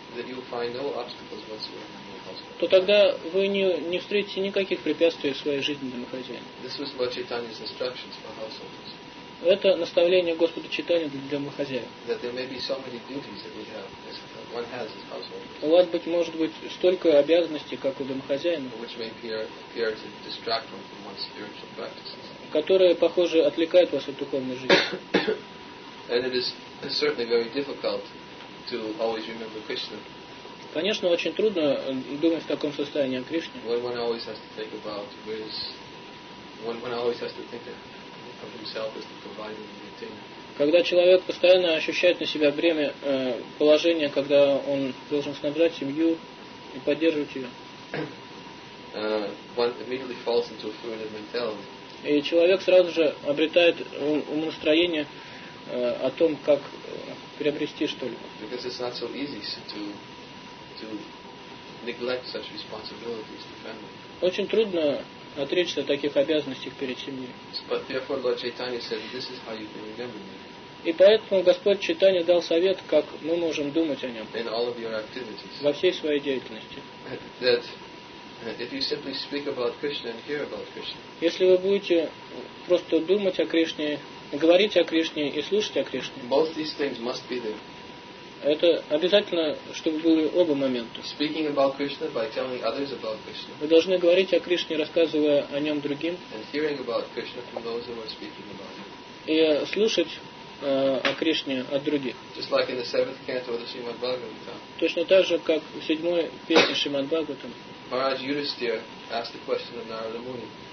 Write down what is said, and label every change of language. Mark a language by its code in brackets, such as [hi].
[en] then you'll find no obstacles whatsoever in your household. [ru] То тогда вы не встретите никаких препятствий в своей жизни домохозяина. [en] This was Lord Chaitanya's instructions for householders. [ru] Это наставление Господа Чайтаньи для домохозяев. [en] That there may be so many duties that we have, as one has as householders. [ru] У вас быть может быть столько обязанностей, как у домохозяина. [en] Which may appear to distract one from one's spiritual practices. [ru] Которые, похоже, отвлекают вас от духовной жизни. [en] And it is certainly very difficult to always remember Krishna. [ru] Конечно, очень трудно думать в таком состоянии о Кришне. [en] When one always has to think about his, when one always has to think of himself as the provider and maintainer. [ru] Когда человек постоянно ощущает на себя бремя положения, когда он должен снабжать семью и поддерживать ее. [en] One immediately falls into a fluid mentality. [ru] И человек сразу же обретает умонастроение о том, как приобрести что-либо. [en] Because it's not so easy to neglect such responsibilities to family. [ru] Очень трудно отречься от таких обязанностей перед семьей. [en] But therefore Lord Chaitanya said, this is how you can remember me. [ru] И поэтому Господь Чайтанья дал совет, как мы можем думать о нем. [en] In all of your activities. [ru] Во всей своей деятельности. [en] That if you simply speak about Krishna and hear about Krishna. [ru] Если вы будете просто думать о Кришне, говорить о Кришне и слушать о Кришне. [en] Both these things must be there. [ru] Это обязательно, чтобы были оба момента. [en] Speaking about Krishna by telling others about Krishna. [ru] Вы должны говорить о Кришне, рассказывая о нем другим. [en] And hearing about Krishna from those who are speaking about him. [ru] И слушать о Кришне от других. [en] Just like in the seventh canto of the Srimad Bhagavatam. [ru] Точно так же, как в седьмой песне Шримад Бхагаватам. [en] Maharaj Yudhisthira asked the question of Narada Muni.